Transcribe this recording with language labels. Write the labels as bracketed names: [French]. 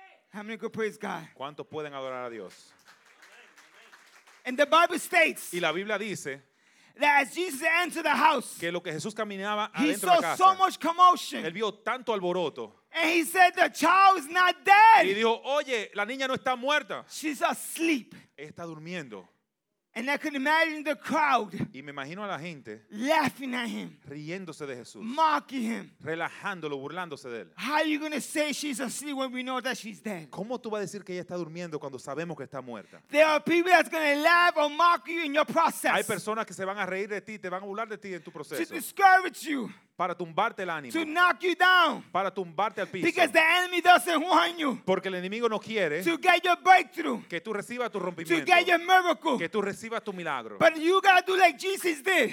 [English] How many could praise God? [Spanish] ¿Cuántos pueden adorar a Dios? [English] And the Bible states. [Spanish] Y la Biblia dice. [English] That as Jesus entered the house. [Spanish] Que lo que Jesús caminaba [English] he [Spanish] adentro [English] saw [Spanish] de casa, [English] so much commotion. [Spanish] Él vio tanto alboroto. [English] And he said the child is not dead. [Spanish] Y dijo, oye, la niña no está muerta. [English] She's asleep. [Spanish] Está durmiendo. [English] And I can imagine the crowd [Spanish] y me imagino a la gente [English] laughing at him, [Spanish] riéndose de Jesús, [English] mocking him, [Spanish] relajándolo, burlándose de él. [English] How are you going to say she's asleep when we know that she's dead? [Spanish] ¿Cómo tú vas a decir que ella está durmiendo cuando sabemos que está muerta? [English] There are people that's going to laugh or mock you in your process. [Spanish] Hay personas que se van a reír de ti, te van a burlar de ti en tu proceso. [English] To discourage you. [Spanish] Para tumbarte el ánimo. [English] To knock you down. [Spanish] Para tumbarte al piso. [English] Because the enemy doesn't want you. [Spanish] Porque el enemigo no quiere. [English] To get your breakthrough. [Spanish] Que tú recibas tu rompimiento. [English] To get your miracle. [Spanish] Que tú recibas tu milagro. [English] But you gotta do like Jesus did.